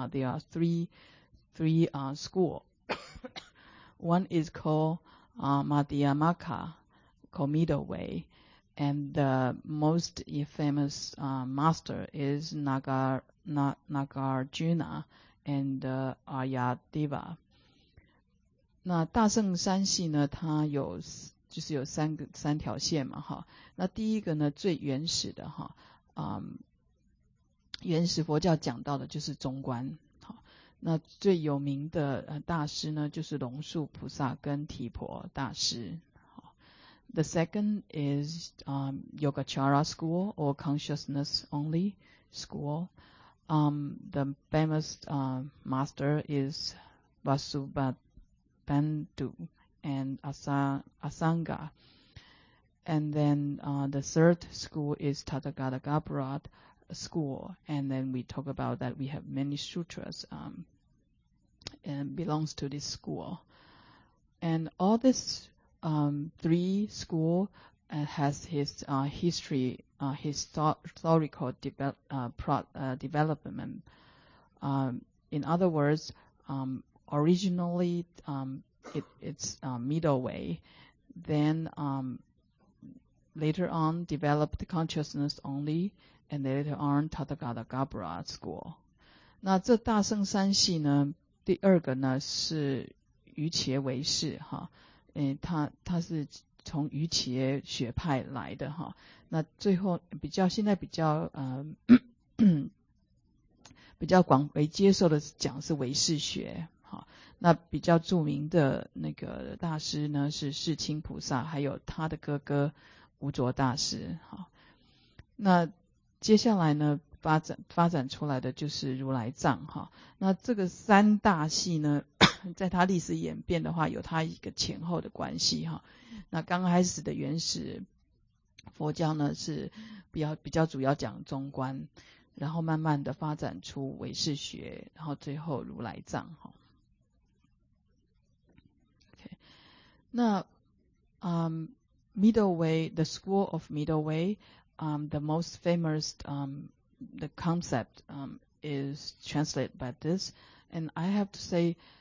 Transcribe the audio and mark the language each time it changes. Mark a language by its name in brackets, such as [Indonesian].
[English] There are three school. One is called Madhyamaka. Called Middle Way, and the most famous master is Nagarjuna and Aryadeva. [Chinese] 那大圣三系呢，它有就是有三条线嘛，哈。那第一个呢，最原始的哈，原始佛教讲到的就是中观。那最有名的大师呢，就是龙树菩萨跟提婆大师。 [English] The second is Yogacara school or consciousness only school. The famous master is Vasubandhu and Asanga. And then the third school is Tathagatagarbha school. And then we talk about that we have many sutras and belongs to this school. And all this... three school has his history, historical development. In other words, originally it's middle way, then later on developed consciousness only, and later on Tathagatagarbha school. [Chinese] 那这大圣三系呢，第二个呢是瑜伽唯识哈。他是从瑜伽学派来的哈，那最后现在比较广为接受的讲是唯识学哈，那比较著名的那个大师呢是世亲菩萨，还有他的哥哥无着大师哈。那接下来呢发展出来的就是如来藏哈，那这个三大系呢。在它历史演变的话，有它一个前后的关系哈。那刚开始的原始佛教呢，是比较主要讲中观，然后慢慢的发展出唯识学，然后最后如来藏哈。 [English] Okay. 那Middle Way, the School of Middle Way, the most famous the concept is translated by this, and I have to say.